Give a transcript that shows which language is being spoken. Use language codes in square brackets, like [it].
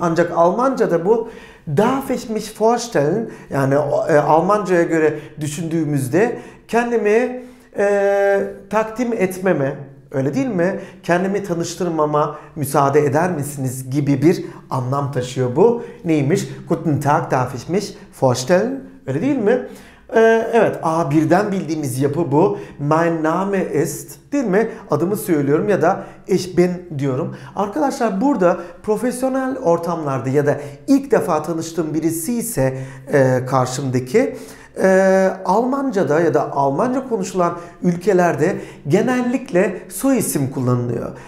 [tr] Ancak Almanca'da bu [de] Darf ich mich vorstellen, [tr] yani Almanca'ya göre düşündüğümüzde kendimi takdim etmeme, öyle değil mi? Kendimi tanıştırmama müsaade eder misiniz gibi bir anlam taşıyor bu. Neymiş? [de] Guten Tag, darf ich mich vorstellen? [tr] Öyle değil mi? Evet, A1'den bildiğimiz yapı bu. [de] Mein Name ist, [tr] değil mi? Adımı söylüyorum ya da [de] ich bin [tr] diyorum. Arkadaşlar burada profesyonel ortamlarda ya da ilk defa tanıştığım birisi ise karşımdaki Almanca'da ya da Almanca konuşulan ülkelerde genellikle soy isim kullanılıyor.